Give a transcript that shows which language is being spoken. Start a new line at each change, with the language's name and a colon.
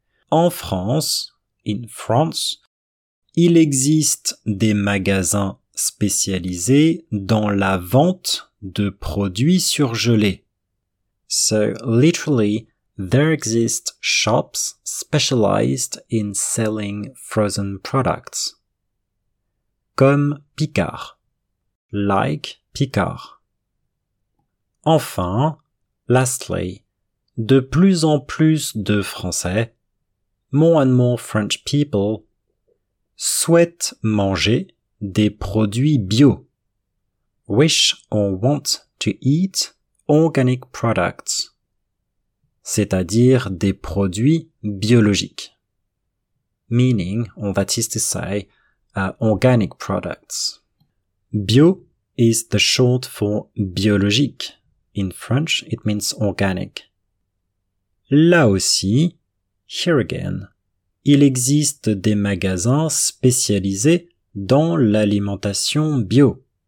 French: En France,
English: in France,
French: il existe des magasins spécialisés dans la vente de produits surgelés.
English: So, literally, there exist shops specialized in selling frozen products.
French: Comme Picard.
English: Like Picard.
French: Enfin,
English: lastly,
French: de plus en plus de Français,
English: more and more French people,
French: souhaite manger des produits bio.
English: Wish or want to eat organic products.
French: C'est-à-dire des produits biologiques.
English: Meaning, or that is to say, organic products. Bio is the short for biologique. In French, it means organic.
French: Là aussi,
English: here again,
French: il existe des magasins spécialisés dans l'alimentation bio.